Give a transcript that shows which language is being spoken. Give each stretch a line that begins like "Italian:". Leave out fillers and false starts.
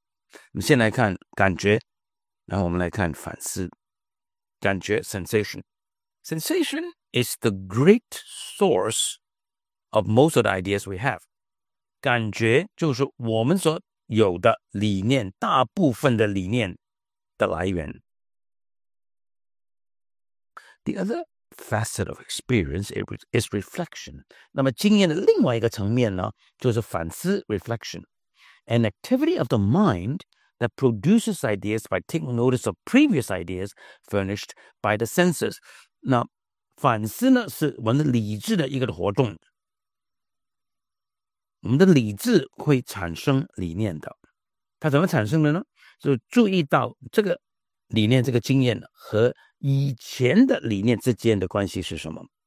Chinese: 我们先来看感觉然后我们来看反思感觉 sensation
English: Sensation is the great source of most of the ideas we have
Chinese: 感觉就是我们所有的理念大部分的理念的来源
English: The other facet of experience is reflection.
Chinese: 那么经验的另外一个层面呢，就是反思 reflection.
English: An activity of the mind that produces ideas by taking notice of previous ideas furnished by the senses.
Chinese: 那反思呢，是我们的理智的一个活动。我们的理智会产生理念的。它怎么产生的呢？就注意到这个理念，这个经验和以前的理念之间的关系是什么。